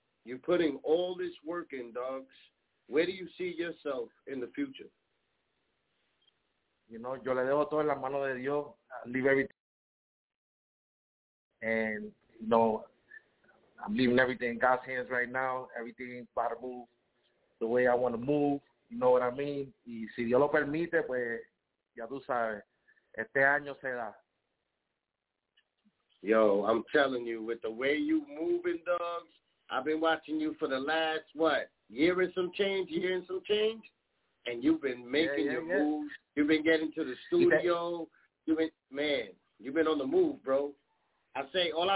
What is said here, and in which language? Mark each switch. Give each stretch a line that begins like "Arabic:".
English: You're putting all this work in, dogs. Where do you see yourself in the future?
Spanish: You know, yo le dejo todo en las manos de Dios.
English: I leave everything. And, you know, I'm leaving everything in God's hands right now. Everything about to move the way I want to move. You know what I mean?
Spanish: Y si Dios lo permite, pues, ya tú sabes. Este año se da.
English: Yo, I'm telling you, with the way you moving, dogs, I've been watching you for the last, what, year and some change, year and some change? And you've been making your moves. You've been getting to the studio. You've been on the move, bro. I say